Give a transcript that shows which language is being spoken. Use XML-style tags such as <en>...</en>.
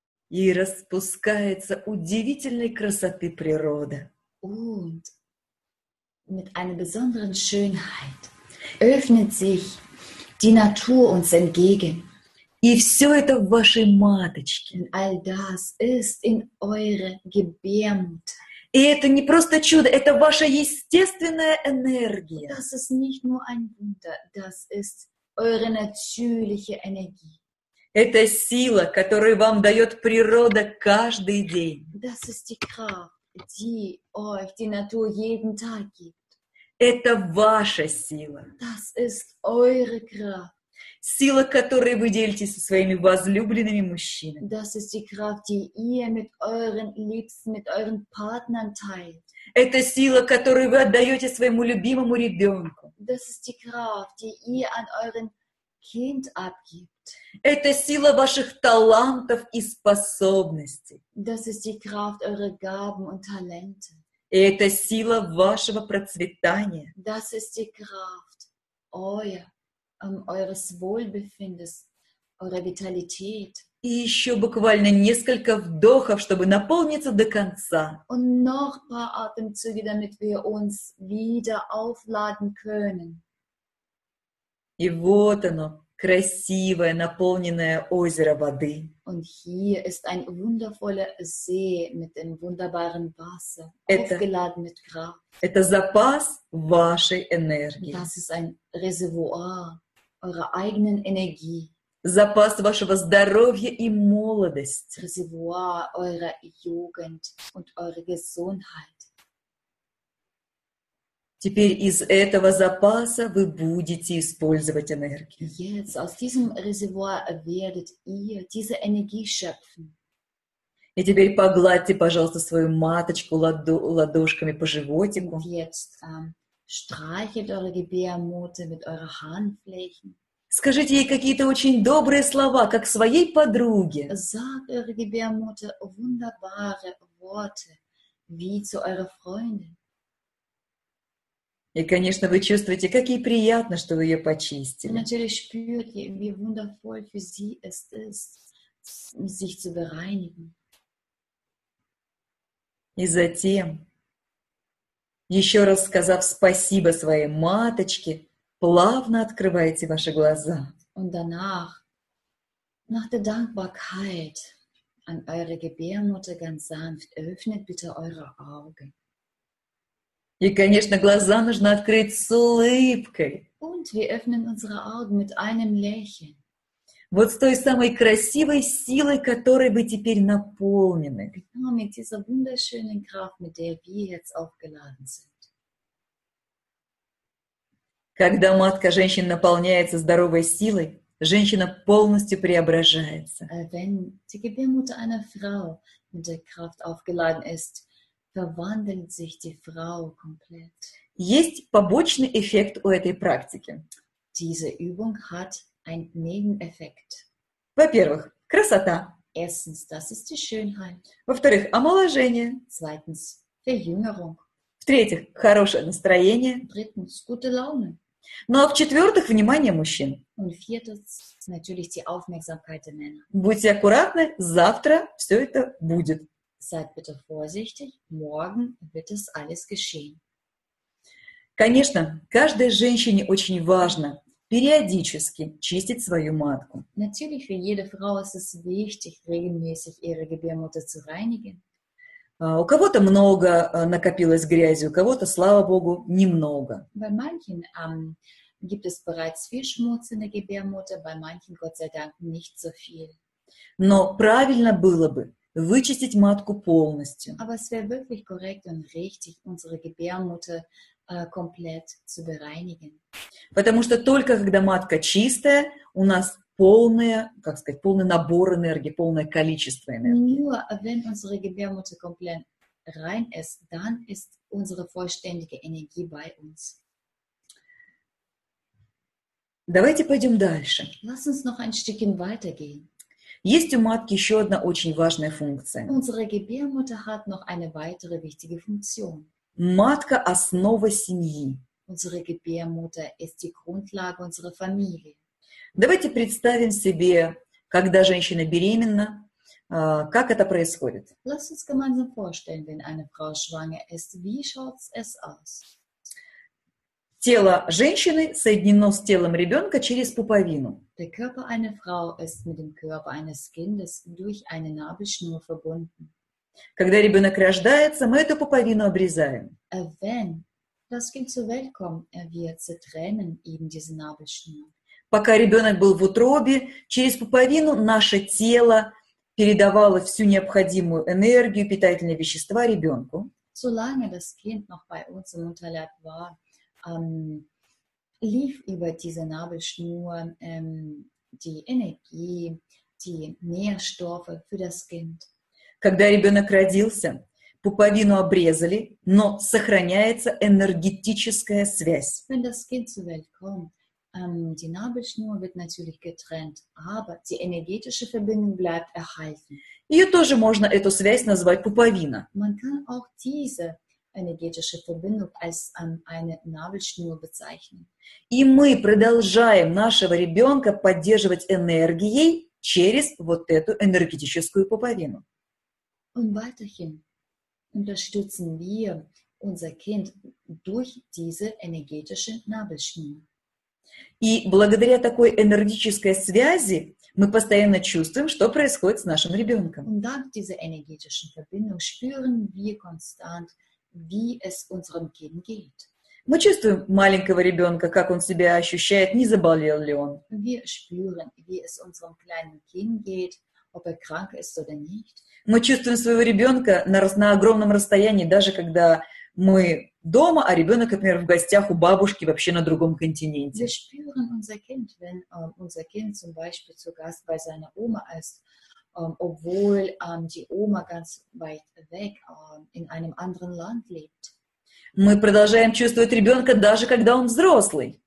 <ru>И распускается удивительной красоты природа.</ru> <de>Und mit einer besonderen Schönheit öffnet sich die Natur uns entgegen.</de> <ru>И все это в вашей маточке.</ru> <de>Und all das ist in eure Gebärmutter.</de> <ru>И это не просто чудо, это ваша естественная энергия.</ru> <de>Das ist nicht nur ein Wunder, das ist eure natürliche Energie.</de> <ru>Это сила, которую вам дает природа каждый день.</ru> <de>Das ist die Kraft, die euch die Natur jeden Tag gibt.</de> <ru>Это ваша сила.</ru> <de>Das ist eure Kraft.</de> <ru>Сила, которой вы делитесь со своими возлюбленными мужчинами.</ru> <de>Das ist die Kraft, die ihr mit euren Liebsten, mit euren Partnern teilt.</de> <ru>Это сила, которую вы отдаете своему любимому ребенку.</ru> <de>Das ist die Kraft, die ihr an euren Kind abgibt.</de> <ru>Это сила ваших талантов и способностей.</ru> <de>Das ist die Kraft eurer Gaben und Talente.</de> <ru>И это сила вашего процветания.</ru> <de>Das ist die Kraft eures Wohlbefindens, eurer Vitalität.</de> <ru>И еще буквально несколько вдохов, чтобы наполниться до конца.</ru> <de>Und noch ein paar Atemzüge, damit wir uns wieder aufladen können.</de> <ru>И вот оно, к красивое, наполненное озеро воды.</ru> <de>Und hier ist ein wundervoller See mit dem wunderbaren Wasser, aufgeladen mit Kraft.</de> <ru>Это запас вашей энергии.</ru> <de>Das ist ein Reservoir eurer eigenen Energie.</de> <ru>Запас вашего здоровья и молодости.</ru> <de>Reservoir eurer Jugend und eurer Gesundheit.</de> <ru>Теперь из этого запаса вы будете использовать энергию.</ru> <de>Jetzt aus diesem Reservoir werdet ihr diese Energie schöpfen.</de> <ru>И теперь погладьте, пожалуйста, свою маточку ладошками по животику.</ru> <de>Und jetzt streichelt eure Gebärmutter mit eurer Handflächen.</de> <ru>Скажите ей какие-то очень добрые слова, как своей подруге.</ru> <de>Sag eure Gebärmutter wunderbare Worte, wie zu eurer Freundin.</de> <ru>И, конечно, вы чувствуете, как ей приятно, что вы ее почистили.</ru> <de>Natürlich spürt ihr, wie wundervoll für sie es ist, sich zu bereinigen.</de> <ru>И затем, еще раз сказав спасибо своей маточке, плавно открываете ваши глаза.</ru> <de>Und danach, nach der Dankbarkeit an eure Gebärmutter ganz sanft, öffnet bitte eure Augen.</de> <ru>И, конечно, глаза нужно открыть с улыбкой.</ru> <de>Und wir öffnen unsere Augen mit einem Lächeln.</de> <ru>Вот с той самой красивой силой, которой вы теперь наполнены.</ru> <de>Genau mit dieser wunderschönen Kraft, mit der wir jetzt aufgeladen sind.</de> <ru>Когда матка женщины наполняется здоровой силой, женщина полностью преображается.</ru> <de>Wenn die Gebärmutter einer Frau mit der Kraft aufgeladen ist, verwandelt sich die Frau komplett.</de> <ru>Есть побочный эффект у этой практики.</ru> <de>Diese Übung hat einen Nebeneffekt.</de> <ru>Во-первых, красота.</ru> <de>Erstens, das ist die Schönheit.</de> <ru>Во-вторых, омоложение.</ru> <de>Zweitens, Verjüngerung.</de> <ru>В-третьих, хорошее настроение.</ru> <de>Drittens, gute Laune.</de> <ru>Ну а в-четвертых, внимание мужчин.</ru> <de>Und viertens, natürlich die Aufmerksamkeit der Männer.</de> <ru>Будьте аккуратны, завтра все это будет.</ru> <de>Seid bitte vorsichtig, morgen wird es alles geschehen.</de> <ru>Конечно, каждой женщине очень важно периодически чистить свою матку.</ru> <de>Natürlich für jede Frau ist es wichtig, regelmäßig ihre Gebärmutter zu reinigen.</de> <ru>У кого-то много накопилось грязи, у кого-то, слава Богу, немного.</ru> <de>Bei manchen gibt es bereits viel Schmutz in der Gebärmutter, bei manchen, Gott sei Dank, nicht so viel.</de> <ru>Но правильно было бы вычистить матку полностью.</ru> <de>Aber es wäre wirklich korrekt und richtig, unsere Gebärmutter komplett zu bereinigen.</de> <ru>Потому что только когда матка чистая, у нас полное, как сказать, полный набор энергии, полное количество энергии.</ru> <de>Nur wenn unsere Gebärmutter komplett rein ist, dann ist unsere vollständige Energie bei uns.</de> <ru>Давайте пойдем дальше.</ru> <de>Lass uns noch ein Stückchen weitergehen.</de> <ru>Есть у матки еще одна очень важная функция.</ru> <de>Unsere Gebärmutter hat noch eine weitere wichtige Funktion.</de> <ru>Матка – основа семьи.</ru> <de>Unsere Gebärmutter ist die Grundlage unserer Familie.</de> <ru>Давайте представим себе, когда женщина беременна, как это происходит.</ru> <de>Lass uns gemeinsam vorstellen, wenn eine Frau schwanger ist, wie schaut es aus?</de> <ru>Тело женщины соединено с телом ребенка через пуповину.</ru> <de>Der Körper einer Frau ist mit dem Körper eines Kindes durch eine Nabelschnur verbunden.</de> <ru>Когда ребенок рождается, мы эту пуповину обрезаем.</ru> <de>Wenn das Kind zur Welt kommt, wir zertrennen eben diese Nabelschnur.</de> <ru>Пока ребенок был в утробе, через пуповину наше тело передавало всю необходимую энергию, питательные вещества ребенку.</ru> <de>Solange das Kind noch bei uns im Mutterleib war, lief über diese Nabelschnur die Energie, die Nährstoffe für das Kind.</de> <ru>Когда ребенок родился, пуповину обрезали, но сохраняется энергетическая связь.</ru> <de>Wenn das Kind zur Welt kommt, die Nabelschnur wird natürlich getrennt, aber die energetische Verbindung bleibt erhalten.</de> <ru>Ее тоже можно эту связь назвать пуповина.</ru> <de>Man kann auch diese energetische Verbindung als eine Nabelschnur bezeichnen.</de> <ru>И мы продолжаем нашего ребенка поддерживать энергией через вот эту энергетическую пуповину.</ru> <de>Und weiterhin unterstützen wir unser Kind durch diese energetische Nabelschnur.</de> <ru>И благодаря такой энергетической связи мы постоянно чувствуем, что происходит с нашим ребенком.</ru> <de>Und dank dieser energetischen Verbindung spüren wir konstant, wie es unserem Kind geht.</de> <ru>Мы чувствуем маленького ребенка, как он себя ощущает, не заболел ли он.</ru> <de>Wir spüren, wie es unserem kleinen Kind geht, ob er krank ist oder nicht.</de> <ru>Мы чувствуем своего ребенка на огромном расстоянии, даже когда мы дома, а ребенок, например, в гостях у бабушки вообще на другом континенте.</ru> <de>Wir spüren unser Kind, wenn unser Kind zum Beispiel zu Gast bei seiner Oma ist, obwohl die Oma ganz weit weg in einem anderen Land lebt.</de> <ru>Мы продолжаем чувствовать ребенка, даже когда он взрослый.</ru>